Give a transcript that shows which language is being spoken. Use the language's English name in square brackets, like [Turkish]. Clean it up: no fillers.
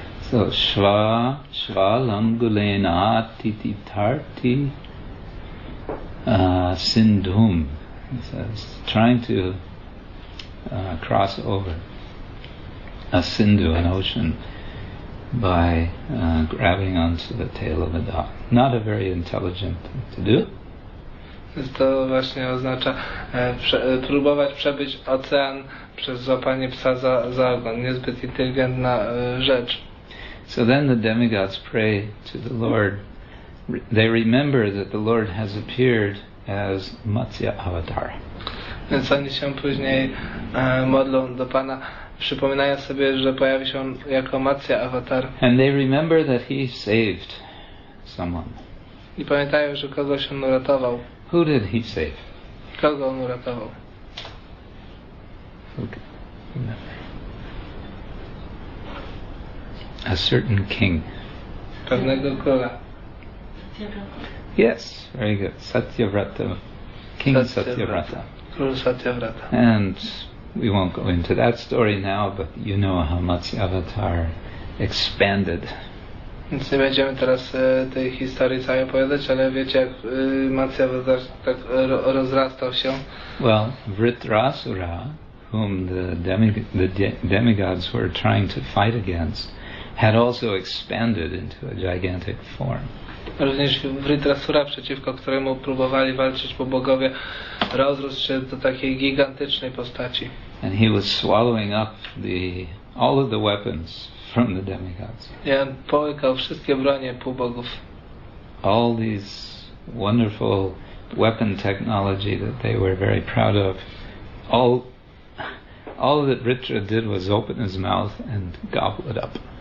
[Sanskrit] So, shva, shva langulena titi-tarti sindhum. [English] So it's trying to cross over a sindhu, an ocean, by grabbing onto the tail of a dog. Not a very intelligent thing to do. [Polish] To właśnie oznacza próbować przebyć ocean przez złapanie psa za ogon. Niezbyt inteligentna rzecz. [English] So then the demigods pray to the Lord. They remember that the Lord has appeared as Matsya Avatar. [Polish] Więc oni się później modlą do Pana, przypominają sobie, że pojawi się on jako Matsya Avatar. [English] And they remember that he saved someone. [Polish] I pamiętają, że kogoś on uratował. [English] Who did he save? [Polish] Kogo on uratował? [English] A certain king. [Polish] Pewnego króla. [English] Yes, very good. Satyavrata. King Satyavrata. [Polish] Król Satyavrata. [English] And we won't go into that story now, but you know how Matsya Avatar expanded. [Polish] Więc nie będziemy teraz tej historii całej opowiadać, ale wiecie, jak Matsya Avatar tak rozrastał się. [English] Well, Vritrasura, whom the demigods were trying to fight against, had also expanded into a gigantic form. [Polish] Również Vritrasura, przeciwko któremu próbowali walczyć pobogowie, rozrósł się do takiej gigantycznej postaci. [English] And he was swallowing up all of the weapons from the demigods. [Polish] I on połykał wszystkie bronie półbogów. [English] All these wonderful weapon technology that they were very proud of. All that Ritra did was open his mouth and gobble it up.